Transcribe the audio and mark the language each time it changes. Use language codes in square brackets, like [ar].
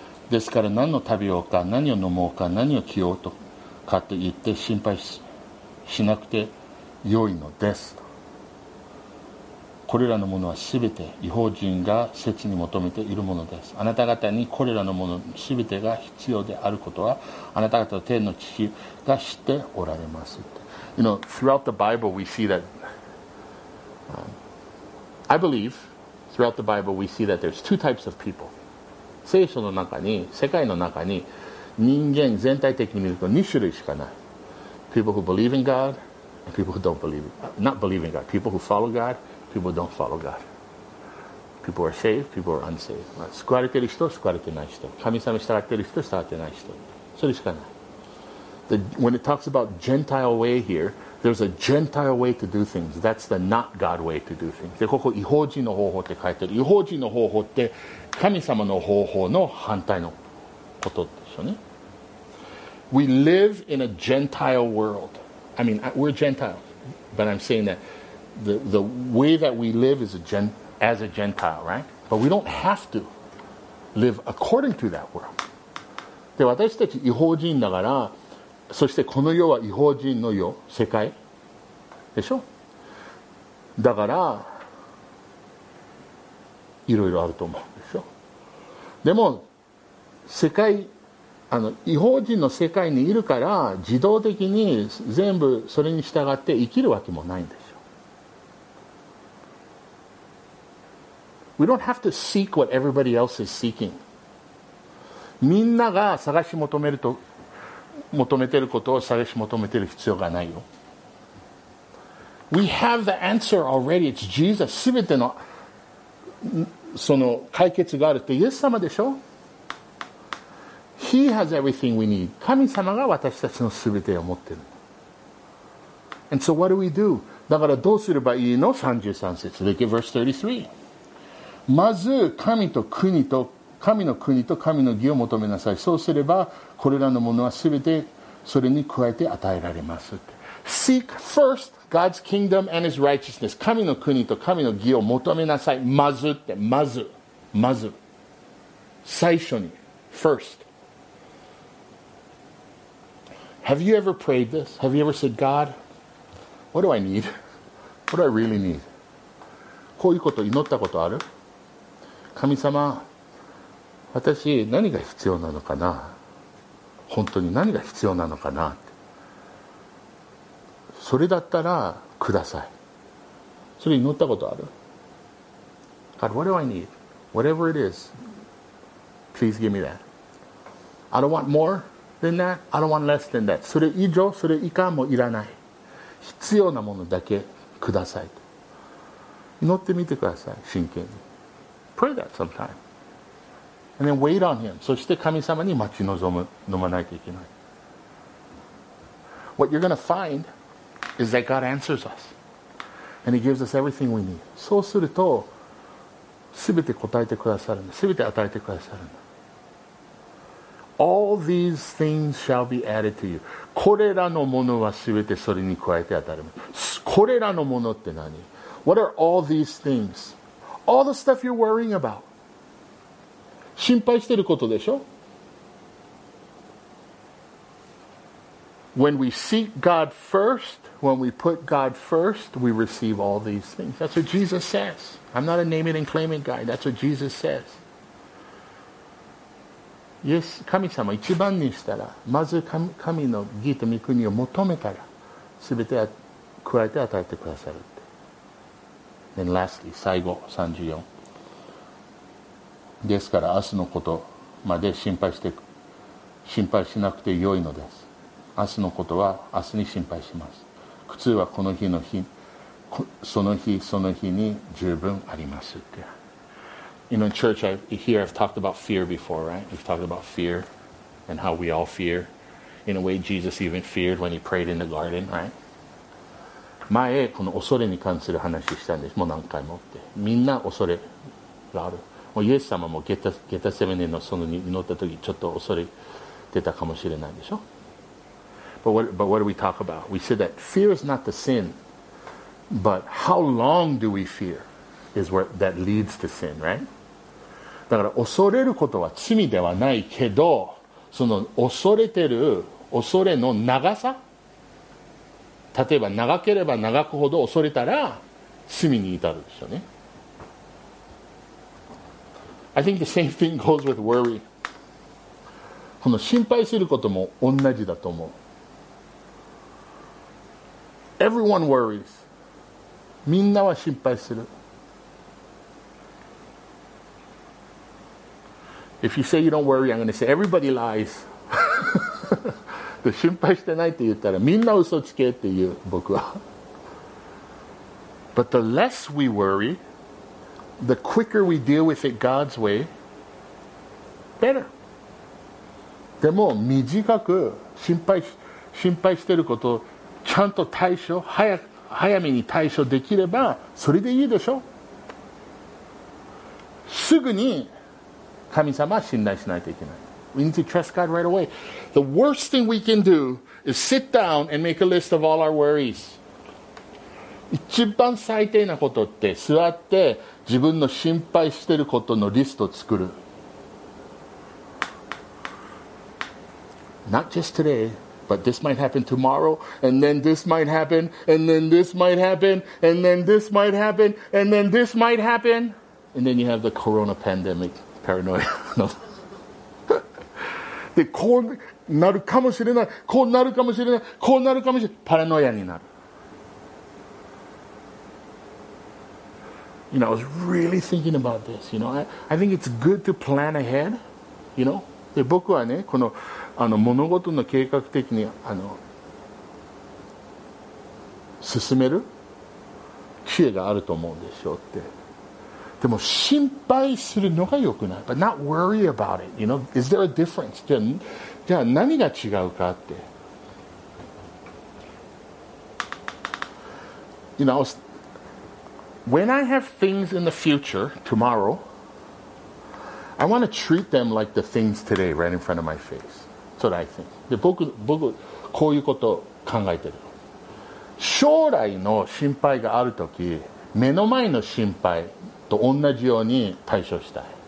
[ja] ですから何を食べようか、何を飲もうか、何を着ようとかって言って心配 しなくて良いのです。これらのものはすべて異邦人が切に求めているものです。あなた方にこれらのものすべてが必要であることはあなた方の天の父が知っておられます。 [en] You know, throughout the Bible we see that、I believe throughout the Bible we see that there's two types of people. [ja] 聖書の中に、世界の中に人間全体的に見ると2種類しかない。 [en] People who believe in God and people who don't believe in God. Not believe in God. People who follow GodPeople don't follow God. People are saved, people are unsaved. [ja] 救われてる人、救われてない人。神様に従ってる人、従ってない人。それしかない。 [en] The, when it talks about Gentile way here, there's a Gentile way to do things. That's the not God way to do things. [ja] で、ここ、異邦人の方法って書いてある。異邦人の方法って、神様の方法の反対のことでしょうね。 [en] We live in a Gentile world. I mean, we're Gentiles, but I'm saying that. The way that we live is as a Gentile, right? But we don't have to live according to that world. [ja] で、私たち異邦人だから、そしてこの世は異邦人の世、世界でしょ？だから、いろいろあると思うでしょ？でも、世界、異邦人の世界にいるから、自動的に全部それに従って生きるわけもないんです。 [en] We don't have to seek what everybody else is seeking. [ja] みんなが探し求めると求めてることを探し求めてる必要がないよ。 [en] We have the answer already. It's Jesus. [ja] すべてのその解決があるってイエス様でしょ。 [en] He has everything we need. [ja] 神様が私たちのすべてを持ってる。 [en] And so what do we do? [ja] だからどうすればいいの？ 33節。 [en] Look at verse 33. [ja] まず神と国と神の国と神の義を求めなさい。そうすればこれらのものはすべてそれに加えて与えられます。 [en] Seek first God's kingdom and His righteousness. [ja] 神の国と神の義を求めなさい。まずってまずまず最初に first. [en] Have you ever prayed this? Have you ever said, God, what do I need? What do I really need? [ja] こういうこと祈ったことある？神様、私何が必要なのかな、本当に何が必要なのかなって、それだったらください、それ祈ったことある？ [en] God, what do I need? Whatever it is, please give me that. I don't want more than that. I don't want less than that. [ja] それ以上それ以下もいらない、必要なものだけくださいと祈ってみてください。真剣に [en] Pray that sometime. And then wait on him. [ja] そして神様に待ち望む、飲まないといけない。 [en] What you're going to find is that God answers us. And he gives us everything we need. [ja] そうすると、すべて答えてくださるんだ。すべて与えてくださるんだ。 [en] All these things shall be added to you. [ja] これらのものはすべてそれに加えて与える。これらのものって何？ [en] What are all these things? All the stuff you're worrying about. [ja] 心配してることでしょ。 [en] When we seek God first, when we put God first, we receive all these things. That's what Jesus says. I'm not a naming and claiming guy. That's what Jesus says. [ja] Yes, 神様一番にしたら、まず神の義と御国を求めたら、すべて加えて与えてくださる。 [en] Then lastly, [ja] 最後34。ですから明日のことまで心配しなくてよいのです。明日のことは明日に心配します。苦痛はこの日の日、その日その日に十分あります。 [en] You know, in church, I've talked about fear before, right? We've talked about fear and how we all fear. In a way, Jesus even feared when he prayed in the garden, right? [ja] 前この恐れに関する話したんです。もう何回もってみんな恐れがある。もうイエス様もゲタセメネの園に祈った時ちょっと恐れてたかもしれないでしょ。 [en] But what do we talk about? We said that fear is not the sin, but how long do we fear is what that leads to sin, right? [ja] だから恐れることは罪ではないけど、その恐れてる恐れの長さ、例えば長ければ長くほど恐れたら罪に至るでしょうね。 [en] I think the same thing goes with worry. [ja] この心配することも同じだと思う。 [en] Everyone worries. [ja] みんなは心配する。 [en] If you say you don't worry, I'm going to say everybody lies. [ja] 心配してないって言ったらみんな嘘つけって言う、僕は。 [en] But the less we worry, the quicker we deal with it God's way, better. [ja] でも短く心配してることをちゃんと対処、早めに対処できればそれでいいでしょ。すぐに神様は信頼しないといけない。 [en] We need to trust God right away. The worst thing we can do is sit down and make a list of all our worries. [ja] 一番最低なことって座って自分の心配してることのリストを作る。 [en] Not just today, but this might happen tomorrow, and then this might happen, and then this might happen, and then this might happen, and then this might happen, and then you have the corona pandemic paranoia. No. [ja] でこうなるかもしれない、こうなるかもしれない、こうなるかもしれない、パラノイアになる。 [en] You know, I was really thinking about this. You know, I think it's good to plan ahead. You know, [ja] で僕はね、この物事の計画的に進める知恵があると思うんでしょうって。でも心配するのが良くない。 [en] But not worry about it. You know, is there a difference? [ja] じゃあ何が違うかって。 [en] You know, when I have things in the future, tomorrow, I want to treat them like the things today, right in front of my face. That's what I think. [ja] で僕こういうことを考えてる。将来の心配があるとき、目の前の心配と同じように対処したい。